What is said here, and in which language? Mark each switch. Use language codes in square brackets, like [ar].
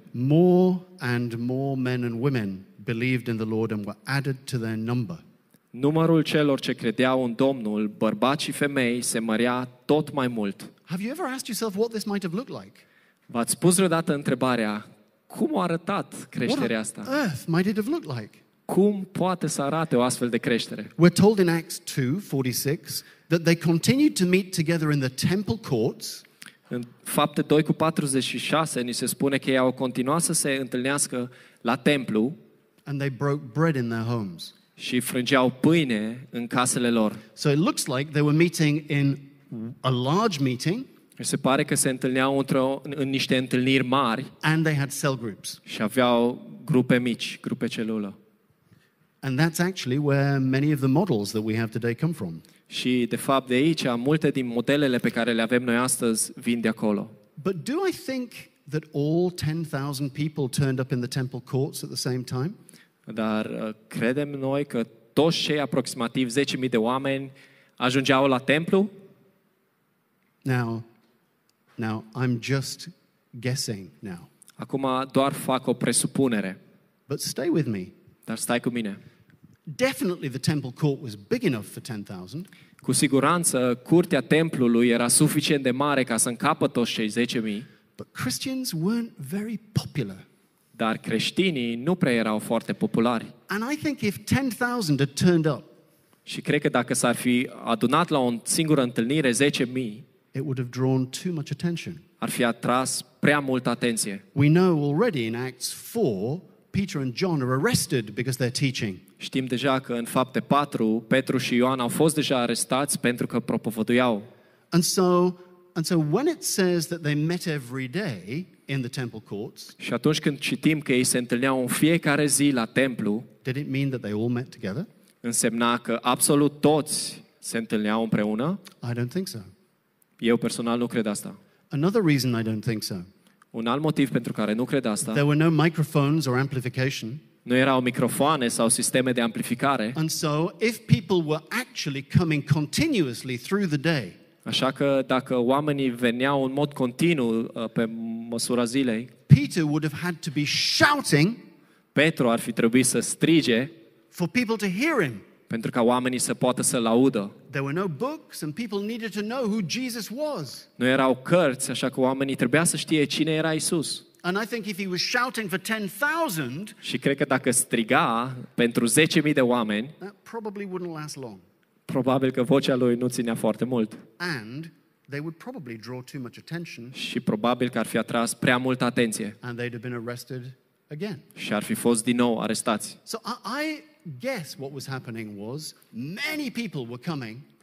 [en] more and more men and women believed in the Lord and were added to their number. [ro] Numărul celor ce credeau în Domnul, bărbați și femei, se mărea tot mai mult. [en] Have you ever asked yourself what this might have looked like? [ro] V-ați pus vreodată întrebarea cum a arătat creșterea asta? [en] What on earth might it have looked like? [ro] Cum poate să arate o astfel de creștere? [en] We're told in Acts 2:46 that they continued to meet together in the temple courts. [ro] În Fapte 2:46 ni se spune că ei au continuat să se întâlnească la templu. [en] And they broke bread in their homes. [ro] Și frângeau pâine în casele lor. [en] So it looks like they were meeting in a large meeting. [ro] Se pare că se întâlneau în niște întâlniri mari. [en] And they had cell groups. [ro] Și aveau grupe mici, grupe celulă. [en] And that's actually where many of the models that we have today come from. [ro] Și de fapt de aici multe din modelele pe care le avem noi astăzi vin de acolo. [en] But do I think that all 10,000 people turned up in the temple courts at the same time? [ro] Dar credem noi că toți cei aproximativ 10,000 de oameni ajungeau la templu? [en] Now I'm just guessing now. [ro] Acum doar fac o presupunere. [en] But stay with me. [ro] Dar stai cu mine. [en] Definitely the temple court was big enough for 10,000. [ro] Cu siguranță curtea templului era suficient de mare ca să încapă toți cei 10,000. [en] But Christians weren't very popular. [ro] Dar creștinii nu prea erau foarte populari. [en] And I think if 10,000 had turned up. [ro] Și cred că dacă s-ar fi adunat la o singură întâlnire 10,000, [en] it would have drawn too much attention. [ro] Ar fi atras prea multă atenție. [en] We know already in Acts 4 Peter and John are arrested because they're teaching. [ro] Știm deja că în Fapte 4 Petru și Ioan au fost deja arestați pentru că propovăduiau. [en] And so when it says that they met every day in the temple courts. [ro] Și atunci când citim că ei se întâlneau în fiecare zi la templu, [en] did it mean that they all met together? [ro] Însemna că absolut toți se întâlneau împreună? [en] I don't think so. [ro] Eu personal nu cred asta. [en] Another reason I don't think so. [ro] Un alt motiv pentru care nu cred asta. [en] There were no microphones or amplification. [ro] Nu erau microfoane sau sisteme de amplificare. [en] And so if people were actually coming continuously through the day. [ro] Așa că dacă oamenii veneau în mod continuu pe măsura zilei, [en] Peter would have had to be shouting. [ro] Petru ar fi trebuit să strige. [en] For people to hear him. [ro] Pentru ca oamenii să poată să-l audă. [en] There were no books and people needed to know who Jesus was. [ro] Nu erau cărți, așa că oamenii trebuia să știe cine era Isus. [en] And I think if he was shouting for 10,000, [ro] și cred că dacă striga pentru 10,000 de oameni, [en] that probably wouldn't last long. [ro] Probabil că vocea lui nu ținea foarte mult. [en] And they would probably draw too much attention. [ro] Și probabil că ar fi atras prea multă atenție. [en] And they'd have been arrested again. [ro] Și ar fi fost din nou arestați. [en] So I guess what was happening was many people were coming.